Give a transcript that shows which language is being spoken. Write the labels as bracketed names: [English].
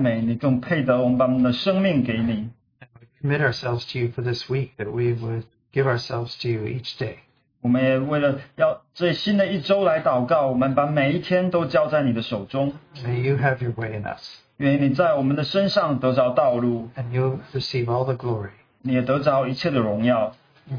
[Chinese] 实在你配得我们的赞美，你更配得我们把我们的生命给你。 [English] We commit ourselves to you for this week, that we would give ourselves to you each day. [Chinese] 我们也为了要这新的一周来祷告，我们把每一天都交在你的手中。 [English] May you have your way in us. [Chinese] 愿你在我们的身上得着道路。 [English] And you receive all the glory. [Chinese] 你也得着一切的荣耀。 [English] In